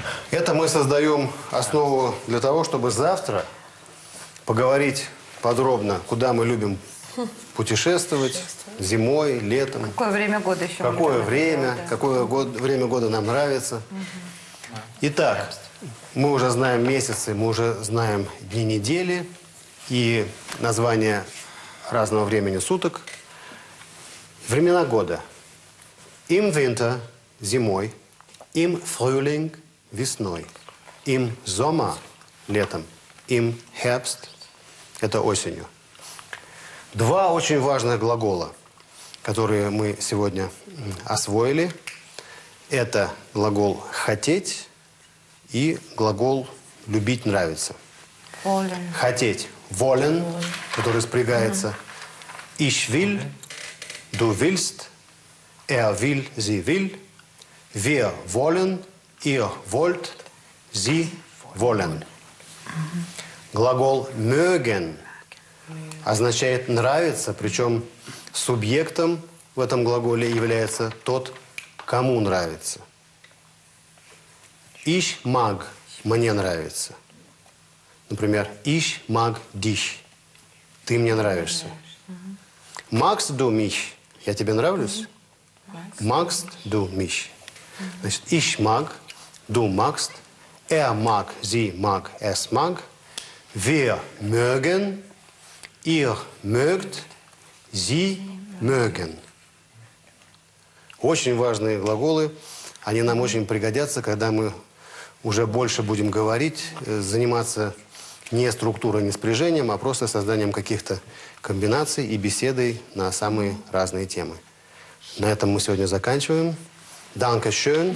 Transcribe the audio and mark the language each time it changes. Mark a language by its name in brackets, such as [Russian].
[Russian] Это мы создаем основу для того, чтобы завтра поговорить подробно, куда мы любим путешествовать, зимой, летом. Какое время года еще? Какое время, да. Какое год, время года нам нравится. Итак, мы уже знаем месяцы, мы уже знаем дни недели и названия разного времени суток. Времена года. [German] Im Winter – [Russian] зимой, [German] im Frühling – [Russian] весной. [German] Im Sommer – [Russian] летом. [German] Im Herbst [Russian] – это осенью. Два очень важных глагола, которые мы сегодня освоили. Это глагол «хотеть» и глагол «любить, нравится». [German] Wollen. [Russian] «Хотеть» – «wollen», который спрягается. [German] «Ich will» – «du willst», «er will», «sie will», «wir wollen», ihr wollt, sie wollen. [Russian] Глагол mögen означает нравится, причем субъектом в этом глаголе является тот, кому нравится. [German] Ich mag, [Russian] мне нравится. Например, [German] ich mag dich, [Russian] ты мне нравишься. [German] Magst du mich, [Russian] я тебе нравлюсь? [German] Magst du mich. Значит, ich mag, du magst, er mag, sie mag, es mag, wir mögen, ihr mögt, sie mögen. [Russian] Очень важные глаголы, они нам очень пригодятся, когда мы уже больше будем говорить, заниматься не структурой, не спряжением, а просто созданием каких-то комбинаций и беседой на самые разные темы. На этом мы сегодня заканчиваем. [German] Danke schön.